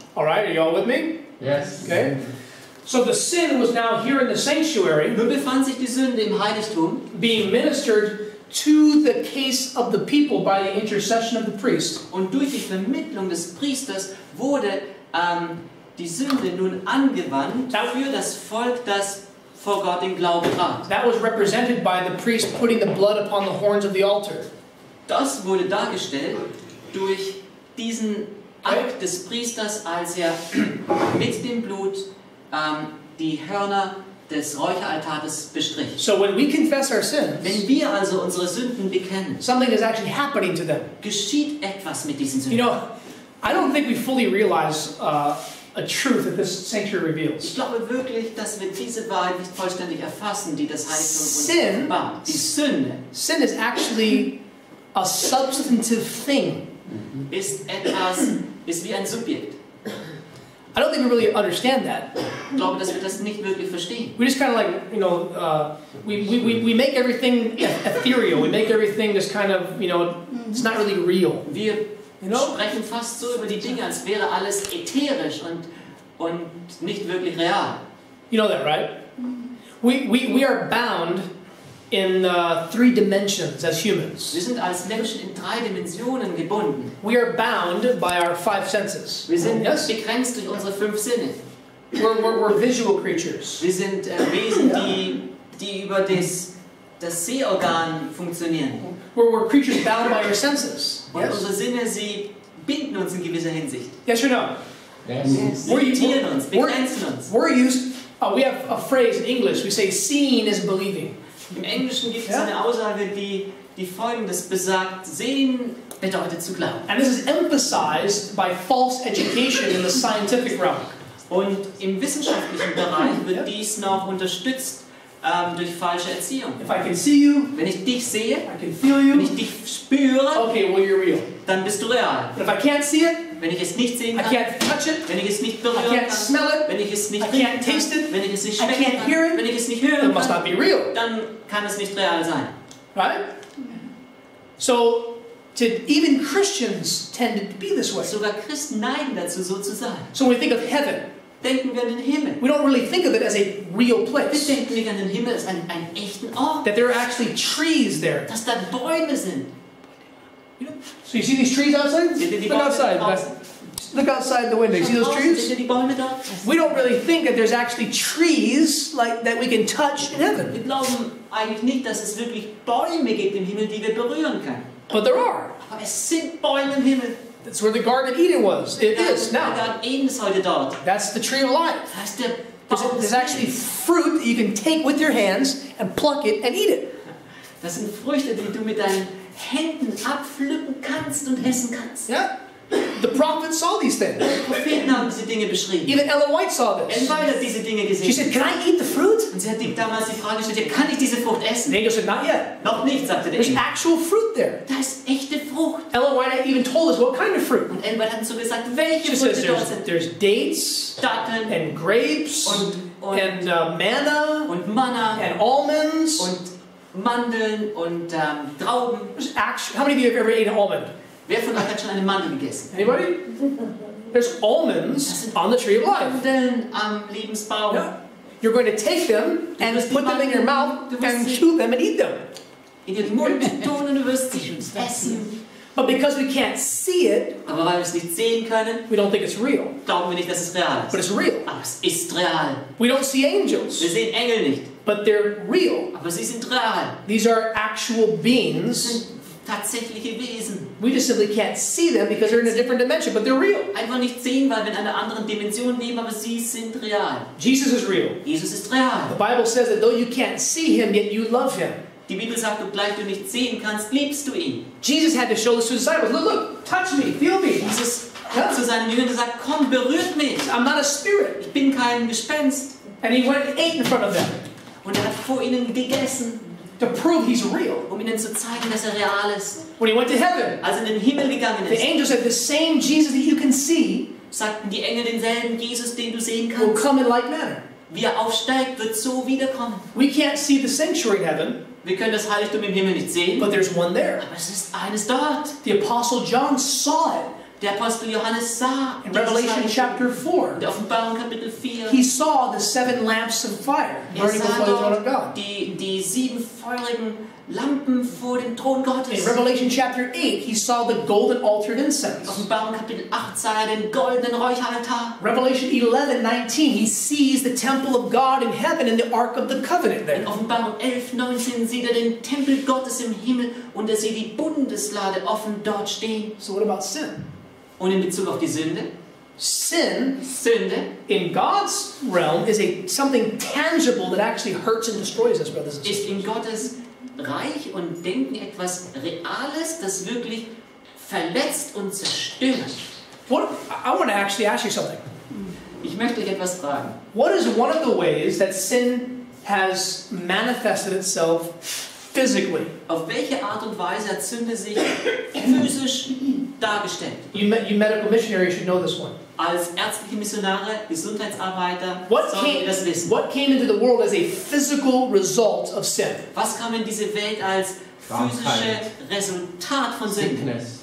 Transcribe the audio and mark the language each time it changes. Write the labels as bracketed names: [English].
[English] All right, are you all with me? Yes. Okay. So the sin was now here in the sanctuary. [German] Nun befand sich die Sünde im Heiligtum, [English] being ministered to the case of the people by the intercession of the priest. [German] Und durch die Vermittlung des Priesters wurde die Sünde nun angewandt für das Volk, das vor Gott im Glauben trat. [English] That was represented by the priest putting the blood upon the horns of the altar. [German] Das wurde dargestellt durch diesen Akt des Priesters, als er mit dem Blut die Hörner des Räucheraltars bestrich. [English] So when we confess our sins, [German] wenn wir also unsere Sünden bekennen, [English] something is actually happening to them. [German] Geschieht etwas mit diesen Sünden. [English] You know, I don't think we fully realize a truth that this sanctuary reveals. [German] Ich glaube wirklich, dass wir diese Wahrheit nicht vollständig erfassen, die das Heiligtum uns offenbart. Die Sünde. [English] Sin is actually a substantive thing. [German] Ist etwas, ist wie ein Subjekt. [English] I don't think we really understand that. [German] Ich glaube, dass wir das nicht wirklich verstehen. [English] We just kind of like, you know, we make everything ethereal. We make everything just kind of, you know, it's not really real. [German] Wir sprechen fast so über die Dinge, als wäre alles ätherisch und nicht wirklich real. [English] You know that, right? We are bound in three dimensions as humans. [German] Wir sind als Menschen in drei Dimensionen gebunden. [English] We are bound by our five senses. [German] Wir sind begrenzt durch unsere fünf Sinne. [English] We're visual creatures. [German] Wir sind Wesen, die über das Sehorgan funktionieren. [English] We're creatures bound by our senses. [German] Und unsere Sinne, sie binden uns in gewisser Hinsicht. [English] Yes or no? Yes. [German] Sie limitieren uns, begrenzen uns. [English] We're used. We have a phrase in English. We say, "Seeing is believing." [German] Im Englischen gibt es eine Aussage, die folgendes besagt: Sehen bedeutet zu glauben. [English] And this is emphasized by false education in the scientific realm. [German] Und im wissenschaftlichen Bereich wird dies noch unterstützt durch falsche Erziehung. [English] If I can see you, [German] wenn ich dich sehe, [English] I can feel you, [German] wenn ich dich spüre, [English] okay, well you're real. [German] Dann bist du real. [English] But if I can't see it, [German] wenn ich es nicht sehen kann, [English] I can't touch it, [German] wenn ich es nicht berühren [English] I can't [German] kann, [English] smell it, [German] wenn ich es nicht [English] I can't [German] kann, [English] taste it, [German] wenn ich es nicht schmecken [English] I can't [German] kann, [English] hear it, [German] wenn ich es nicht hören kann, [English] must not be real. [German] Dann kann es nicht real sein. [English] Right? So, to even Christians tend to be this way. [German] Sogar Christen neigen dazu, so zu sein. [English] So when we think of heaven, [German] denken wir an den Himmel. [English] We don't really think of it as a real place. [German] Wir denken nicht an den Himmel als einen echten Ort. [English] That there are actually trees there. [German] Dass da Bäume sind. [English] So you see these trees outside? Look outside. Look outside the window. You see those trees? We don't really think that there's actually trees like that we can touch in heaven. [German] Wir glauben eigentlich nicht, dass es wirklich Bäume gibt im Himmel, die wir berühren können. [English] But there are. [German] Aber es sind Bäume im Himmel. [English] That's where the Garden of Eden was. It is now. That's the tree of life. That's the. There's actually fruit that you can take with your hands and pluck it and eat it. [German] Das sind Früchte, die du mit deinen Händen abpflücken kannst und essen kannst. [English] Yeah. The prophet saw these things. [German] Die Propheten haben diese Dinge beschrieben. [English] Even Ellen White saw this. [German] Ellen White hat diese Dinge gesehen. [English] She said, "Can I eat the fruit?" [German] Und sie hat damals die Frage gestellt: Kann ich diese Frucht essen? [English] Nee, said, "Not yet." [German] Noch nicht, sagte der. [English] There's actual fruit there. [German] Da ist echte Frucht. [English] Ellen White even told us what kind of fruit. [German] Und Ellen White hat so gesagt, welche Früchte dort sind. [English] There's dates, [German] Datteln, [English] and grapes, [German] und [English] manna, [German] und Manna, [English] and almonds, [German] und Mandeln und Trauben. [English] How many of you have ever eaten an almond? [German] Wer von euch hat schon eine Mandel gegessen? [English] Anybody? There's almonds on the tree of life. [German] Mandeln am Lebensbaum. [English] Yeah. You're going to take them and put them in your mouth and chew them and eat them. [German] In den Mund tun und du wirst sie essen. [English] But because we can't see it, [German] aber weil wir es nicht sehen können, [English] we don't think it's real. [German] Glauben wir nicht, dass es real ist. [English] But it's real. [German] Aber es ist real. [English] We don't see angels. [German] Wir sehen Engel nicht. [English] But they're real. [German] Aber sie sind real. [English] These are actual beings. [German] Sie sind tatsächliche Wesen. [English] We just simply can't see them because they're in a different dimension, but they're real. [German] Einfach nicht sehen, weil wir in einer anderen Dimension leben, aber sie sind real. [English] Jesus is real. [German] Jesus ist real. [English] The Bible says that though you can't see him, yet you love him. [German] Die Bibel sagt, obgleich du nicht sehen kannst, liebst du ihn. [English] Jesus had to show this to his disciples. Look, touch me, feel me. [German] Jesus hat zu seinen Jüngern gesagt, komm, berührt mich. [English] I'm not a spirit. [German] Ich bin kein Gespenst. [English] And he went and ate in front of them. [German] Und hat vor ihnen gegessen. [English] To prove he's real. [German] Um ihnen zu zeigen, dass real ist. [English] When he went to heaven. [German] Als in den Himmel gegangen ist. [English] The angels said, the same Jesus that you can see. [German] Sagten die Engel denselben Jesus, den du sehen kannst. [English] Will come in like manner. [German] Wie er aufsteigt, wird so wiederkommen. [English] We can't see the sanctuary in heaven. [German] Wir können das Heiligtum im Himmel nicht sehen. [English] But there's one there. [German] Aber es ist eines dort. [English] The Apostle John saw it. [German] Der Apostel Johannes sah [English] in Revelation chapter 4. [German] Der Offenbarung Kapitel 4. [English] He saw the seven lamps of fire burning before the throne of God. [German] Die sieben feurigen Lampen vor dem Thron Gottes. [English] In Revelation chapter 8, he saw the golden altar of incense. [German] Offenbarung Kapitel 8 sah den goldenen Räucheraltar. [English] Revelation 11:19, he sees the temple of God in heaven and the ark of the covenant there. [German] In Offenbarung 11:19 sieht den Tempel Gottes im Himmel und er sieht die Bundeslade offen dort stehen. [English] So what about sin? [German] Und in Bezug auf die Sünde? [English] Sünde in God's realm is something tangible that actually hurts and destroys us, brothers and sisters. [German] Ist in Gottes Reich und Denken etwas Reales, das wirklich verletzt und zerstört. [English] I want to actually ask you something. [German] Ich möchte euch etwas fragen. [English] What is one of the ways that sin has manifested itself physically. [German] Auf welche Art und Weise hat Sünde sich physisch dargestellt? [English] You medical missionaries should know this one. [German] Als ärztliche Missionare, Gesundheitsarbeiter, [English] What came into the world as a physical result of sin? [German] Was kam in diese Welt als physisches Resultat von Sünde?